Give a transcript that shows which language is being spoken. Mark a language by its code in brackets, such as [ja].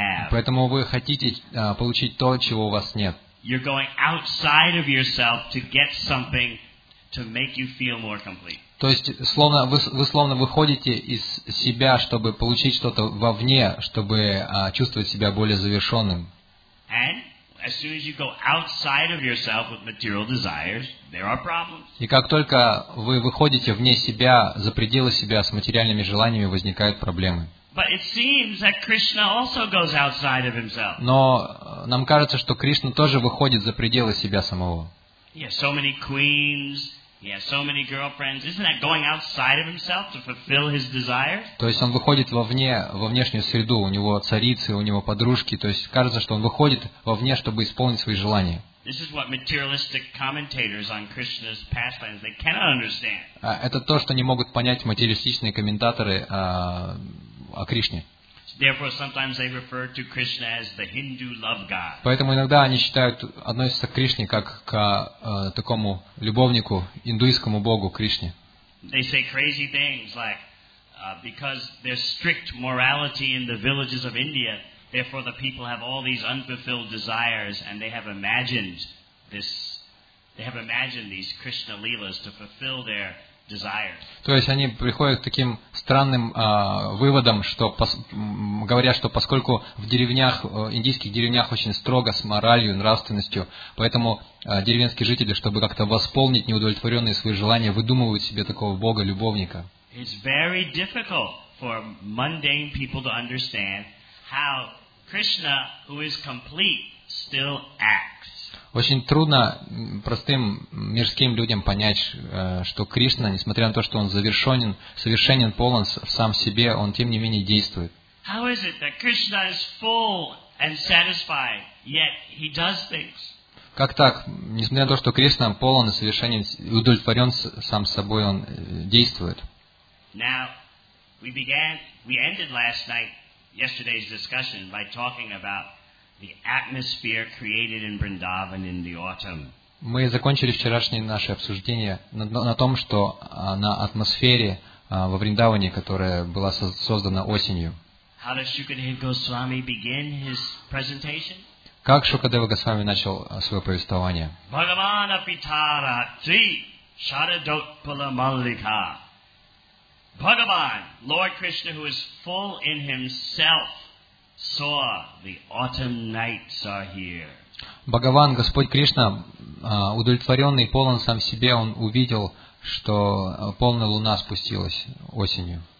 [ru] Поэтому вы хотите получить то, чего у вас нет. [en] You're going outside of yourself to get something to make you feel more complete. [ru] То есть, вы выходите из себя, чтобы получить что-то вовне, чтобы чувствовать себя более завершенным. [en] And as soon as you go outside of yourself with material desires, there are problems. [ru] И как только вы выходите вне себя, за пределы себя с материальными желаниями, возникают проблемы. [en] But it seems that Krishna also goes outside of himself. [ru] Но нам кажется, что Кришна тоже выходит за пределы себя самого. [en] He has so many queens. He has so many girlfriends. Isn't that going outside of himself to fulfill his desires? [ru] То есть он выходит во внешнюю среду. У него царицы, у него подружки. То есть кажется, что он выходит вовне, чтобы исполнить свои желания. [en] This is what materialistic commentators on Krishna's pastimes they cannot understand. [ru] Это то, что не могут понять материалистичные комментаторы о Кришне. [en] Therefore, sometimes they refer to Krishna as the Hindu love god. [ru] Поэтому иногда они считают, относятся к Кришне как к такому любовнику, индуистскому богу Кришне. [en] They say crazy things like, because there's strict morality in the villages of India, therefore the people have all these unfulfilled desires and they have imagined these Krishna leelas to fulfill their [ru] То есть они приходят к таким странным выводам, что говорят, что поскольку в деревнях, индийских деревнях очень строго с моралью, нравственностью, поэтому деревенские жители, чтобы как-то восполнить неудовлетворенные свои желания, выдумывают себе такого бога-любовника. [en] It's very difficult for mundane people to understand how Krishna, who is complete, still acts. [ru] Очень трудно простым мирским людям понять, что Кришна, несмотря на то, что он завершенен, совершенен, полон сам в себе, он тем не менее действует. [en] How is it that Krishna is full and satisfied, yet he does things? [ru] Как так? Несмотря на то, что Кришна полон и совершенен, удовлетворен сам собой, он действует. [en] Now, we ended last night, yesterday's discussion, by talking about the atmosphere created in Vrindavan in the autumn. [ru] Мы закончили вчерашнее наше обсуждение на том, что на атмосфере во Вриндаване, которая была создана осенью. [en] How did Shukadeva Goswami begin his presentation? [ru] Как Шукадева Госвами начал свое повествование? Бхагавана Питара Три Шарадоттала Маллика. [en] Bhagavan, Lord Krishna, who is full in himself, saw the autumn nights are here. [ru] Bhagavan, Господь Кришна, удовлетворенный, полон сам себе, он увидел, что полная луна спустилась осенью.